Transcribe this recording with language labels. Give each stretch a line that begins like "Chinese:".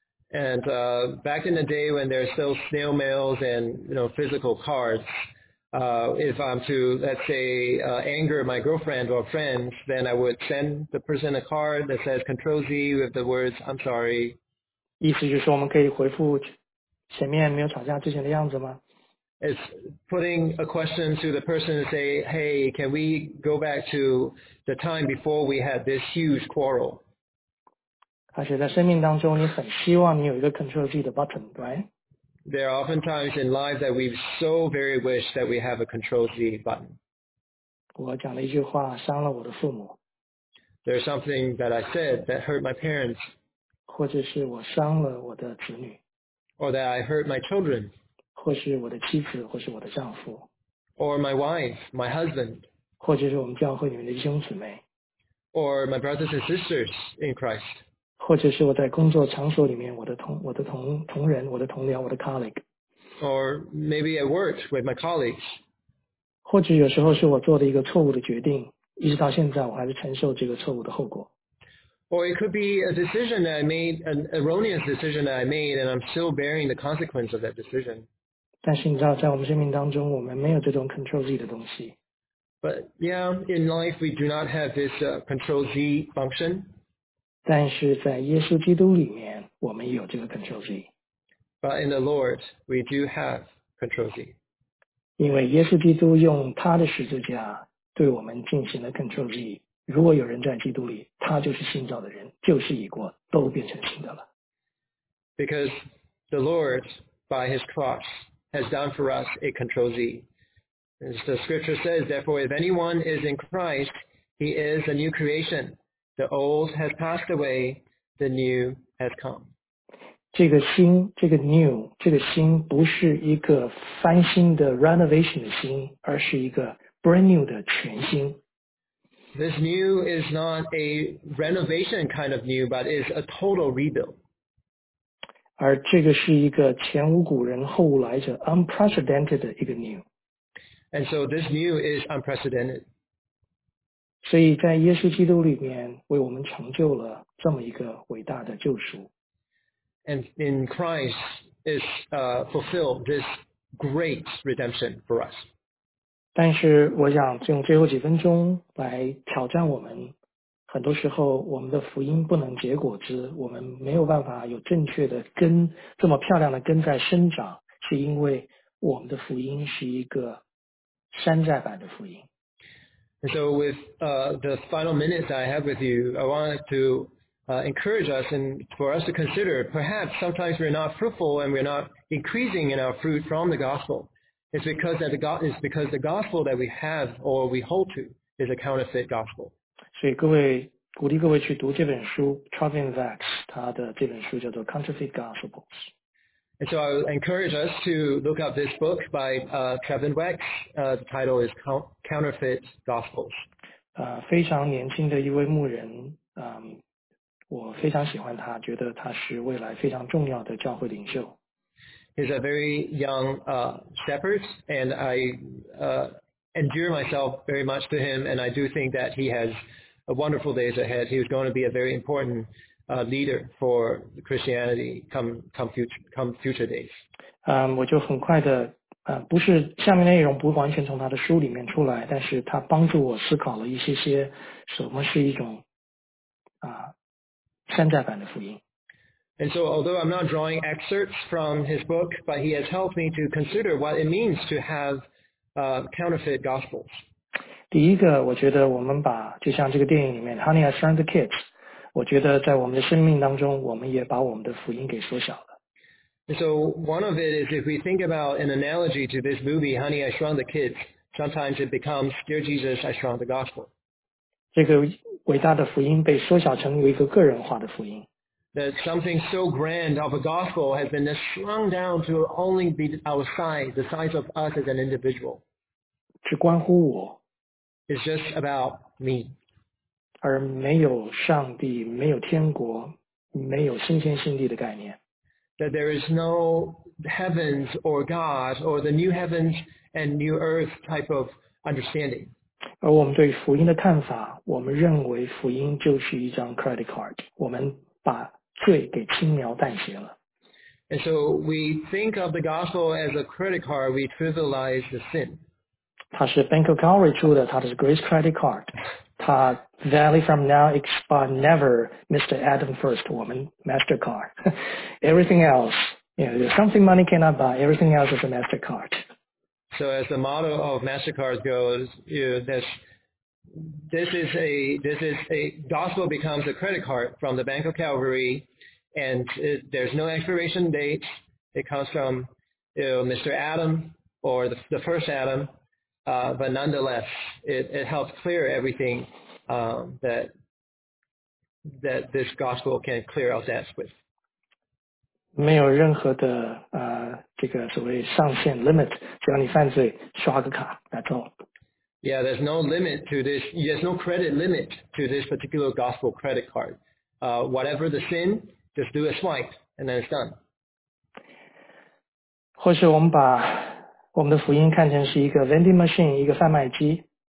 English: And back in the day when there's still snail mails and you know physical cards, if I'm to let's say anger my girlfriend or friends, then I would send the person a card that says Control Z with the words I'm sorry.
Chinese: 意思就是我们可以回复前面没有吵架之前的样子吗？
English: It's putting a question to the person to say, hey, can we go back to the time before we had this huge quarrel?
Chinese: 而且在生命当中你很希望你有一个 Control Z 的 button,
English: right? There are often times in life that we so very wish that we have a Control Z button.
Chinese: 我讲了一句话伤了我的父母。
English: There's something that I said that hurt my parents.
Chinese: 或者是我伤了我的子女。
English: Or that I hurt my children.
Chinese: 或是我的妻子，或是我的丈夫
English: ，or my wife, my husband，
Chinese: 或者是我们教会里面的弟兄姊妹
English: ，or my brothers and sisters in Christ，
Chinese: 或者是我在工作场所里面我的同仁，我的同僚，我的 colleague，
English: or maybe at work with my colleagues，
Chinese: 或者有时候是我做的一个错误的决定，一直到现在我还是承受这个错误的后果
English: ，or it could be a decision that I made, an erroneous decision that I made, and I'm still bearing the consequence of that decision。
Chinese: 但是你知道，在我们生命当中，我们没有这种 Control Z 的东西。
English: But yeah, in life we do not have this Control Z function.
Chinese: 但是在耶稣基督里面，我们有这个 Control Z.
English: But in the Lord, we do have Control Z.
Chinese: 因为耶稣基督用他的十字架对我们进行了 Control Z. 如果有人在基督里，他就是新造的人，旧事已过，都变成新的了。
English: Because the Lord, by His cross. Has done for us a control Z. As the scripture says, therefore, if anyone is in Christ, he is a new creation. The old has passed away, the new has come.
Chinese: 这个新，这个 new, 这个新不是一个翻新的 renovation 的新，而是一个 brand new 的全新。
English: This new is not a renovation kind of new, but is a total rebuild.
Chinese: 而这个是一个前无古人后无来者 unprecedented 的一个 new
English: and so this new is unprecedented
Chinese: 所以在耶稣基督里面为我们成就了这么一个伟大的救赎
English: and in Christ is fulfilled this great redemption for us
Chinese: 但是我想用最后几分钟来挑战我们很多时候我们的福音不能结果子我们没有办法有正确的根这么漂亮的根在生长是因为我们的福音是一个山寨版的福音。
English: And so with the final minutes I have with you, I want to encourage us and for us to consider perhaps sometimes we're not fruitful and we're not increasing in our fruit from the gospel. It's because the gospel that we have or we hold to is a counterfeit gospel.
Chinese: 所以各位鼓励各位去读这本书 Travin Vax 他的这本书叫做 Counterfeit Gospels
English: And so I would encourage us to look up this book by Travin Vax the title is Counterfeit Gospels
Chinese: 非常年轻的一位牧人我非常喜欢他觉得他是未来非常重要的教会领袖
English: He's a very young shepherd and I endure myself very much to him and I do think that he hasA wonderful days ahead. He is going to be a very important leader for Christianity come future days.
Chinese: 我就很快的，不是下面内容不完全从他的书里面出来，但是他帮助我思考了一些些什么是一种山寨版的福音。
English: And so, although I'm not drawing excerpts from his book, but he has helped me to consider what it means to have counterfeit gospels.
Chinese: 第一个我觉得我们把就像这个电影里面 Honey I Shrunk the Kids 我觉得在我们的生命当中我们也把我们的福音给缩小了
English: So one of it is if we think about an analogy to this movie Honey I Shrunk the Kids sometimes it becomes Dear Jesus I Shrunk the Gospel
Chinese: 这个伟大的福音被缩小成为一个个人化的福音
English: That something so grand of a gospel has been shrunk down to only be our size the size of us as an individual
Chinese: 只关乎我
English: It's just about me.
Chinese: 而没有上帝，没有天国，没有新天新地的概念。
English: That there is no heavens or God or the new heavens and new earth type of understanding.
Chinese: 而我们对福音的看法，我们认为福音就是一张 credit card， 我们把罪给轻描淡写了。
English: And so we think of the gospel as a credit card. We trivialize the sin.
Chinese: 它是
English: Bank of Calgary
Chinese: 出的，它的是
English: Grace credit card。 它 valid from now expire never, Mr. Adam first,
Chinese: 我们
English: Mastercard. Everything else, you know, there's something money cannot buy. Everything else is a Mastercard. So as the motto of MasterCard goes, you know, this is a gospel becomes a credit card from the Bank of Calvary, and it, there's no expiration date. It comes from, you know, Mr. Adam or the first Adam, but nonetheless, it helps clear everything that this gospel can clear our debts with.
Chinese: 没有任何的这个所谓上限 limit， 只要你犯罪刷个卡 ，
English: that's all。 Yeah, there's no limit to this. There's no credit limit to this particular gospel credit card. Whatever the sin, just do a swipe and then it's done.
Chinese: 或是我们把我们的福音看成是一个 vending machine， 一个贩卖机。